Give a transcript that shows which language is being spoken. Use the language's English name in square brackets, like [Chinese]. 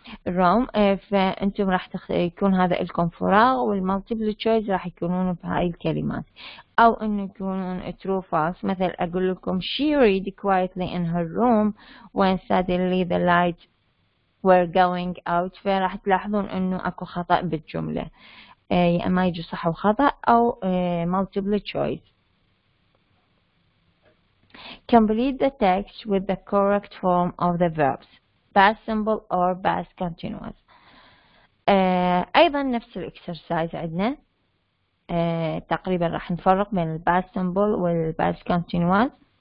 [Arabic] روم، فأنتم راح يكون هذا لكم فراغ، والمالتيبل تشويز راح يكونون في هاي الكلمات، أو إنه يكونون ترو فالس. مثل أقول لكم [English] she read quietly in her room when suddenly the light were going out، [Arabic] فراح تلاحظون إنه أكو خطأ بالجملة، يا إما يجي صح وخطأ أو مالتيبل تشويز. [English] Complete the text with the correct form of the verbs. Past simple or past continuous. [Arabic] أيضا نفس الاكسرسايز عندنا. تقريبا راح نفرق بين past simple والpast continuous.